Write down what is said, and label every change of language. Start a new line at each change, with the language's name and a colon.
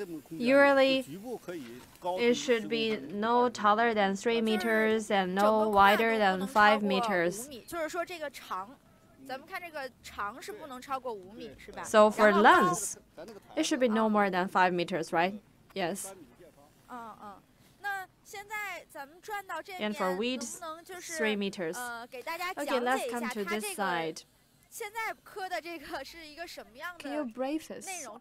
English: Usually, it should be no taller than 3 meters and no wider than 5 meters.
Chinese: 就是说这个长，咱们看这个长是不能超过5米，是吧？
English: So for length, it should be no more than 5 meters, right? Yes.
Chinese: 嗯嗯，那现在咱们转到这边，
English: and for width,
Chinese: 能不能就是
English: 3 meters? Okay,
Chinese: 给大家讲解一下
English: ，let's come to this side.
Chinese: 现在刻的这个是一个什么样的内容？